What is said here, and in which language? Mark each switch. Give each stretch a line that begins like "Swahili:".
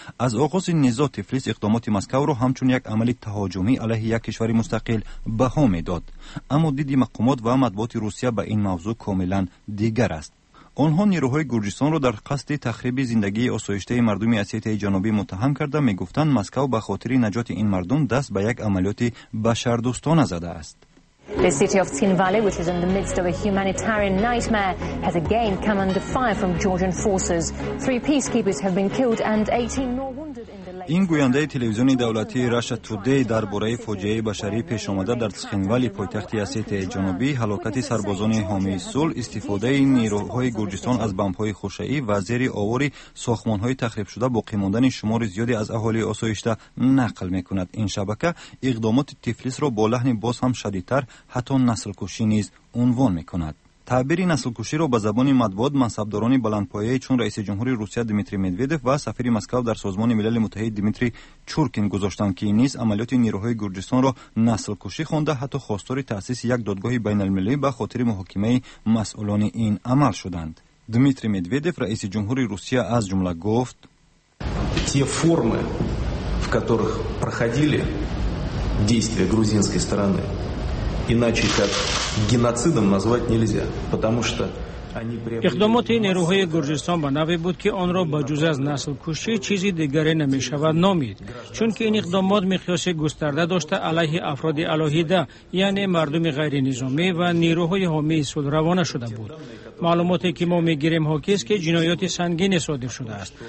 Persian: از آغاز نزاع تفلیس اقدامات مسکو را همچون یک عمل تهاجمی علیه یک کشور مستقل بها می‌داد، اما دید مقامات و مطبوعات روسیه به این موضوع کاملا دیگر است. آنها نیروهای گرجستان را در قصد تخریب زندگی آسایشته مردم آسیای جنوبی متهم کرده می گفتند مسکو به خاطر نجات این مردم دست به یک عملیات بشر دوستانه زده است.
English: The city of Tsinvali, which is in the midst of a humanitarian nightmare, has again come under fire from Georgian forces. Three peacekeepers have been killed and 18 more wounded in the
Persian: این گوینده تلویزیون دولتی Russia Today در باره فاجعه بشری پیش آمده در Tsinvali پایتخت آسیای جنوبی، هلاکت سربازان حامی صلح، استفاده نیروهای گرجستان از بمب‌های خوشه‌ای و زیر آواری ساختمان‌های تخریب شده باقی ماندن شمار زیادی از اهالی آسایشته نقل می‌کند. این شبکه اقدامات تفلیس را با لحن باز هم شدیدتر حتی نسل کشی نیز عنوان می کند. تعبیری نسل کشی را به زبان مطبوعات منصبدارانی بلندپایه چون رئیس جمهوری روسیه دیمیتری مدودف و سفیر مسکو در سازمان ملل متحد دیمیتری چورکین گذاشتند که نیز عملیات نیروهای گرجستان را نسل کشی خوانده، حتی خواستار تأسیس یک دادگاه بین المللی به خاطر محاکمه مسئولان این عمل شدند. دیمیتری مدودف رئیس جمهوری روسیه از جمله گفت:
Russian: تی فرمی в которых проходили действия грузинской стороны, иначе как геноцидом назвать нельзя, потому что они приобрели...
Persian: اقدامات نیروهای گرجستان به نوعی بود که آن را به جز از نسل کشی چیزی دیگری نمی‌شود نامید، چون که این اقدامات مقیاس گسترده داشته علیه افراد الهیده، یعنی مردم غیر نظامی و نیروهای حامی صلح روانه شده بود. معلوماتی که ما میگیریم هاکیست که جنایات سنگین صادر شده است.